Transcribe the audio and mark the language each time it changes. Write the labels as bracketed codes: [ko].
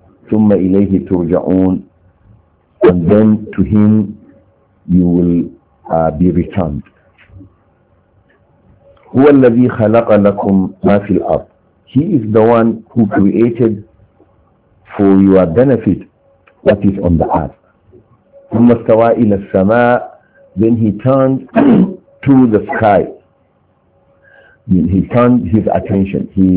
[ar] ثم إليه ترجعون [en] and then to him you will be returned. [ar] هو الذي خلق لكم ما في الأرض. [en] He is the one who created for your benefit what is on the earth. [ar] ثم استوى إلى السماء. [en] Then he turned to the sky. He turned his attention.